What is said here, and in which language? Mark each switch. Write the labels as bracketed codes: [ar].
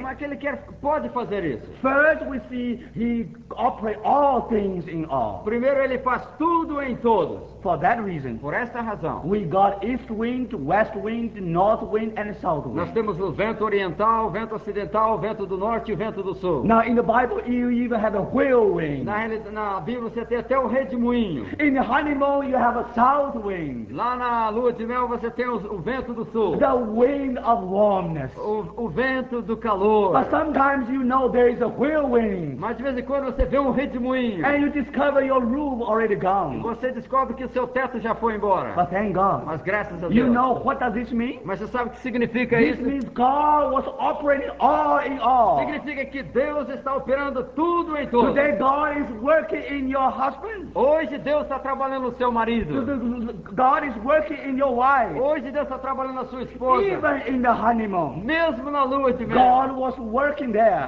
[pt] Como é que ele quer, pode fazer isso? [en] First we see he operates all things in all. [pt] Primeiro ele faz tudo em todos. [en] For that reason, [pt] por esta razão, [en] we got east wind, west wind, north wind and south wind. [pt] Nós temos o vento oriental, vento ocidental, vento do norte e vento do sul. [en] Now in the Bible you even have a whirlwind. [pt] Na Bíblia você tem até o redemoinho. [en] In the honeymoon you have a south wind. [pt] Lá na lua de mel você tem o vento do sul. [en] The wind of warmness. [pt] O vento do calor. [en] But sometimes you know there is a whirlwind. [pt] Mas de vez em quando você vê um redemoinho. [en] And you discover your roof already gone. [pt] E você descobre que o seu teto já foi embora. [en] But thank God. [pt] Mas graças a Deus. [en] You know what does this mean? [pt] Mas você sabe o que significa [en] this [pt] isso? [en] This means God was operating all in all. [pt] Significa que Deus está operando tudo em todos. [en] Today God is working in your husband. [pt] Hoje Deus está trabalhando no seu marido. [en] God is working in your wife. [pt] Hoje Deus está trabalhando na sua esposa. [en] Even in the honeymoon. [pt] Mesmo na lua de mel. [en] God was working there.